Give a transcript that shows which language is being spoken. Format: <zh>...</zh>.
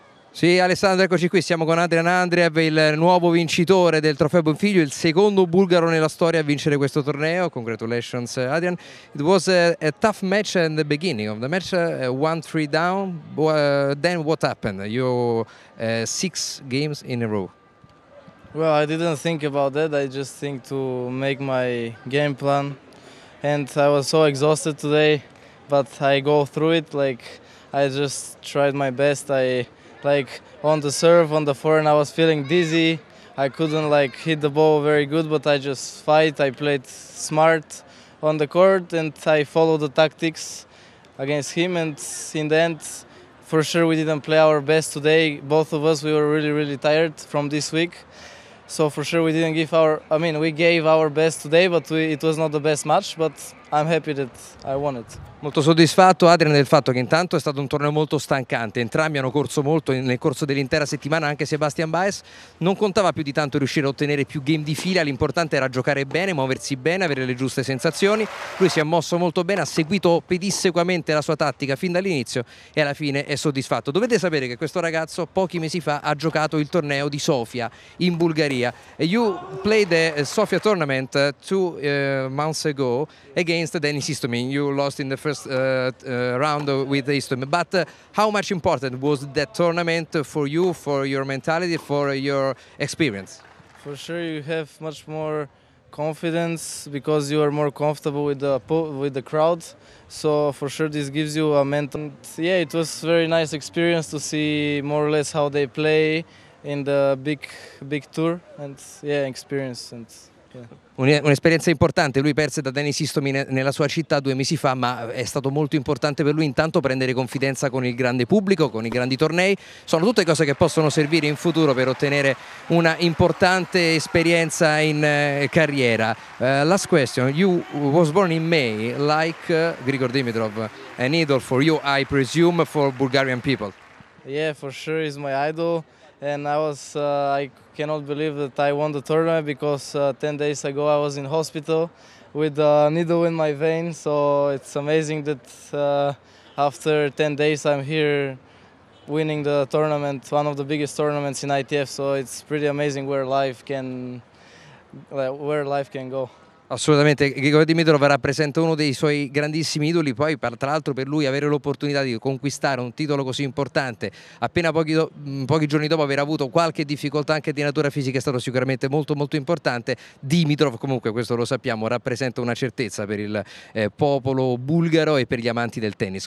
<it>Sì, Alessandro, eccoci qui, siamo con Adrian Andriev, il nuovo vincitore del trofeo Bonfiglio, il secondo bulgaro nella storia a vincere questo torneo.</it> <en>Congratulations, Adrian. It was a tough match in the beginning of the match, 1-3 down. Then what happened? You 6 games in a row. Well, I didn't think about that. I just think to make my game plan. And I was so exhausted today, but I go through it. Like, I just tried my best. Like on the serve, on the forehand, I was feeling dizzy. I couldn't like hit the ball very good, but I just fight. I played smart on the court and I followed the tactics against him. And in the end, for sure, we didn't play our best today. Both of us, we were really, really tired from this week. So for sure, we didn't give our, I mean, we gave our best today, but it was not the best match, but I'm happy that I won it.</en> <it>Molto soddisfatto, Adrian, del fatto che intanto è stato un torneo molto stancante. Entrambi hanno corso molto nel corso dell'intera settimana, anche Sebastian Baez. Non contava più di tanto riuscire a ottenere più game di fila. L'importante era giocare bene, muoversi bene, avere le giuste sensazioni. Lui si è mosso molto bene, ha seguito pedissequamente la sua tattica fin dall'inizio e alla fine è soddisfatto. Dovete sapere che questo ragazzo pochi mesi fa ha giocato il torneo di Sofia in Bulgaria.</it> <en>You played the Sofia tournament 2 months ago against Denis Istomin. You lost in the first round with Istomin, but how much important was that tournament for you, for your mentality, for your experience? For sure you have much more confidence because you are more comfortable with the crowd, so for sure this gives you a mental. And yeah, it was very nice experience to see more or less how they play in the big tour, and yeah, experience. And</en> <it>un'esperienza importante, lui perse da Denis Istomin nella sua città 2 mesi fa, ma è stato molto importante per lui intanto prendere confidenza con il grande pubblico, con i grandi tornei. Sono tutte cose che possono servire in futuro per ottenere una importante esperienza in carriera.</it> <en>Last question, you was born in May like Grigor Dimitrov, an idol for you, I presume, for Bulgarian people. Yeah, for sure, he's my idol. and I was I cannot believe that I won the tournament because 10 days ago I was in hospital with a needle in my vein, so it's amazing that after 10 days I'm here winning the tournament, one of the biggest tournaments in ITF, so it's pretty amazing where life can go.</en> <it>Assolutamente, Grigor Dimitrov rappresenta uno dei suoi grandissimi idoli, poi tra l'altro per lui avere l'opportunità di conquistare un titolo così importante appena pochi giorni dopo aver avuto qualche difficoltà anche di natura fisica è stato sicuramente molto molto importante. Dimitrov, comunque questo lo sappiamo, rappresenta una certezza per il popolo bulgaro e per gli amanti del tennis.</it>